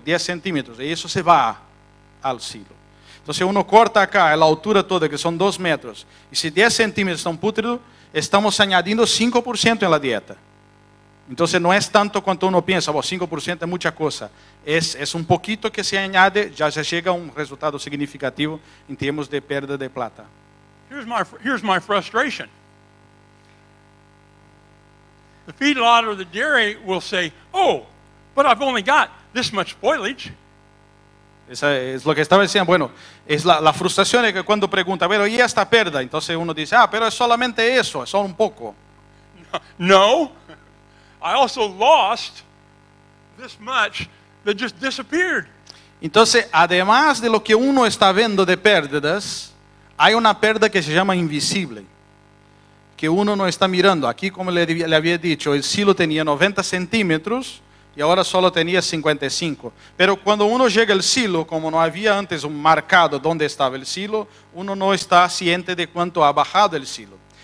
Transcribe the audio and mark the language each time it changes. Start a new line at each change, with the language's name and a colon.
Spanish: 10 centímetros, y eso se va al silo. Entonces uno corta acá la altura toda, que son 2 metros, y si 10 centímetros están pútridos, estamos añadiendo 5% en la dieta. Entonces no es tanto cuanto uno piensa, 5% es mucha cosa. Es un poquito que se añade, ya se llega a un resultado significativo en términos de pérdida de plata.
English: Here's my frustration. The feedlot or the dairy will say, oh, but I've only got this much spoilage.
Spanish: Esa es lo que estaba diciendo. Bueno, es la frustración es que cuando pregunta, pero ¿y esta pérdida? Entonces uno dice, ah, pero es solamente eso, es solo un poco.
English: No, I also lost this much that just disappeared.
Spanish: Entonces, además de lo que uno está viendo de pérdidas, hay una pérdida que se llama invisible, que uno no está mirando. Aquí, como le había dicho, el silo tenía 90 centímetros y ahora solo tenía 55. Pero cuando uno llega al silo, como no había antes un marcado donde estaba el silo, uno no está consciente de cuánto ha bajado el silo.